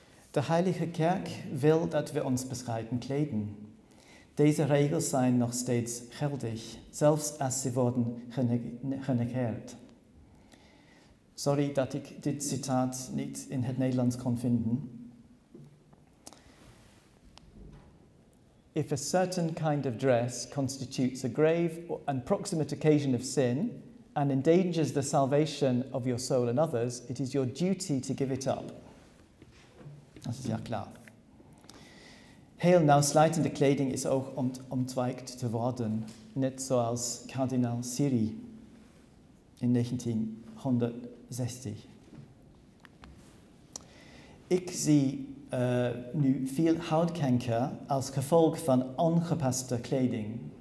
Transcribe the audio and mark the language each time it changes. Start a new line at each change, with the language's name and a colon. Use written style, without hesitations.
Dutch: De heilige kerk wil dat we ons bescheiden kleden. Deze regels zijn nog steeds geldig, zelfs als ze worden genegeerd. Sorry dat ik dit citaat niet in het Nederlands kon vinden.
English: If a certain kind of dress constitutes a grave and proximate occasion of sin and endangers the salvation of your soul and others, it is your duty to give it up.
Dutch: Dat is ja klaar. Heel nauwsluitende kleding is ook ontwijkt te worden, net zoals kardinaal Siri in 1960. Ik zie nu veel huidkanker als gevolg van ongepaste kleding.